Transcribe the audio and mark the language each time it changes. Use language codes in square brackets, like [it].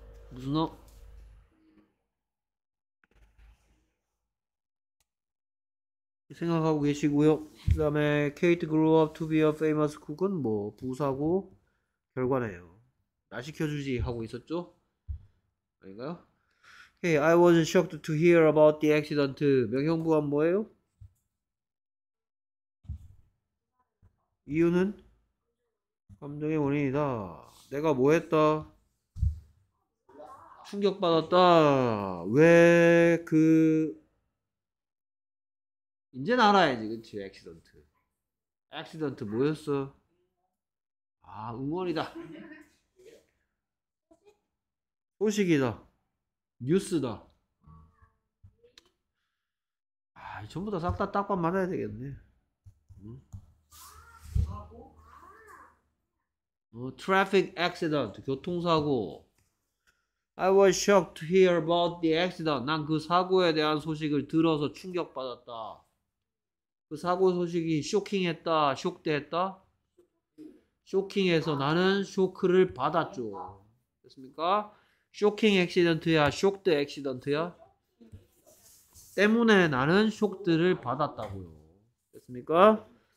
[ko] 무슨 어? 생각하고 계시고요. 그 다음에 [en] Kate grew up to be a famous cook [ko] 은 뭐 부사고 결과네요. 나 시켜주지 하고 있었죠? 아닌가요? [en] Hey, I was shocked to hear about the accident. [ko] 명형부가 뭐예요? 이유는? 감정의 원인이다. 내가 뭐 했다? 충격받았다. 왜 그... 이제 알아야지, 그치? 액시던트. 액시던트 뭐였어? 아, 응원이다. 소식이다. 뉴스다. 아, 전부 다 싹 다 딱밤 맞아야 되겠네. 트래픽 액시던트, 교통사고. [en] I was shocked to hear about the accident. [ko] 난 그 사고에 대한 소식을 들어서 충격받았다. 그 사고 소식이 쇼킹했다, 쇼크대했다? 쇼킹해서 나는 쇼크를 받았죠. 됐습니까? 쇼킹 액시던트야, 쇼크드 액시던트야? 때문에 나는 쇼크들을 받았다고요. 됐습니까?